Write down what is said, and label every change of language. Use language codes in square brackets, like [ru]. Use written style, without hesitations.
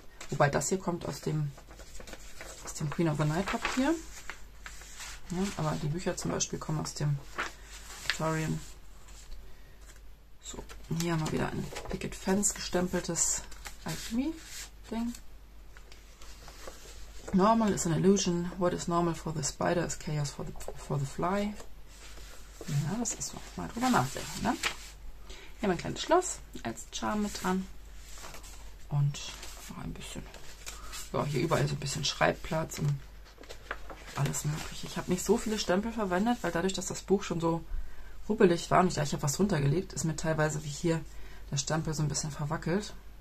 [de] Wobei das hier kommt aus dem Queen of the Night Papier. Ja, aber die Bücher zum Beispiel kommen aus dem Victorian. So, hier haben wir wieder ein Picket Fence gestempeltes Alchemie-Ding. [en] Normal is an illusion. What is normal for the spider is chaos for the fly. [de] Ja, das ist so. Mal drüber nachdenken, ne? Hier haben wir ein kleines Schloss als Charme mit dran. Und noch ein bisschen. Ja, hier überall so ein bisschen Schreibplatz und alles Mögliche. Ich habe nicht so viele Stempel verwendet, weil dadurch, dass das Buch schon so rubbelig war und ich habe was runtergelegt, ist mir teilweise wie hier der Stempel so ein bisschen verwackelt.